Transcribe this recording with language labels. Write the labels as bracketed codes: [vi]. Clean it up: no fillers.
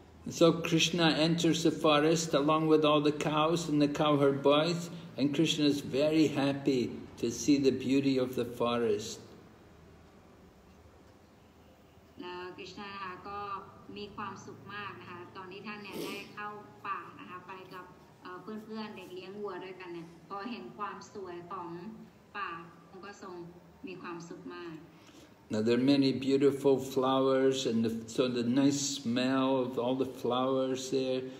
[en] So Krishna enters the forest along with all the cows and the cowherd boys, and Krishna is very happy to see the beauty of the forest. [th] Krishna นะคะก็มีความสุขมากนะคะตอนที่ท่านเนี่ยได้เข้าป่านะคะไปกับเพื่อนๆเด็กเลี้ยงวัวด้วยกันเนี่ยพอเห็นความสวยของป่าท่านก็ทรงมีความสุขมาก [en] Now there are many beautiful flowers and the nice smell of all the flowers there